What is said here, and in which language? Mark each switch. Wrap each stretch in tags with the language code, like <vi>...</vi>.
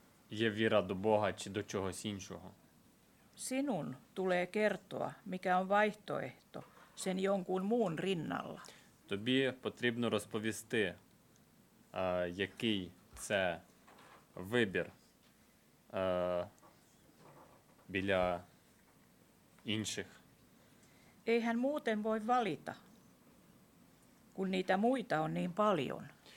<uk>Є віра до Бога чи до чогось іншого.</uk> <fi>Sinun tulee kertoa, mikä on vaihtoehto sen jonkun muun rinnalla.</fi> <uk>Тобі потрібно розповісти, який це вибір біля інших.</uk> <fi>Eihän muuten voi valita, kun niitä muita on niin paljon.</fi>